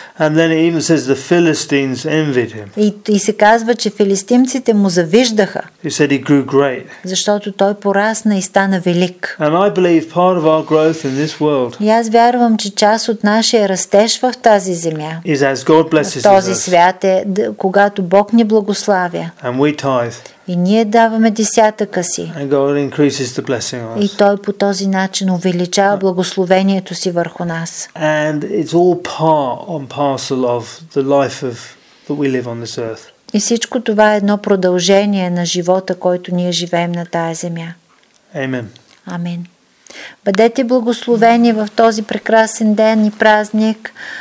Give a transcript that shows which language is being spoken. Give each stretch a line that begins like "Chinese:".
English: And then it even says the Philistines envied him.
Bulgarian: И се казва, че филистимците му завиждаха.
English: He said he grew great.
Bulgarian: Защото той порасна и стана велик.
English: And I believe part of our growth in this world.
Bulgarian: И аз вярвам, че част от нашия растеж в тази земя.
English: Is as God blesses us.
Bulgarian: Този свят е, когато Бог ни благославя.
English: And we tithe.
Bulgarian: И ние даваме десятъка си.
English: And God increases the blessing on us.
Bulgarian: И той по този начин увеличава благословението си върху нас.
English: And it's all part and parcel of the life of that we live on this earth.
Bulgarian: И всичко това е едно продължение на живота, който ние живеем на тая земя.
English: Amen.
Bulgarian: Амин. Бъдете благословени в този прекрасен ден и празник.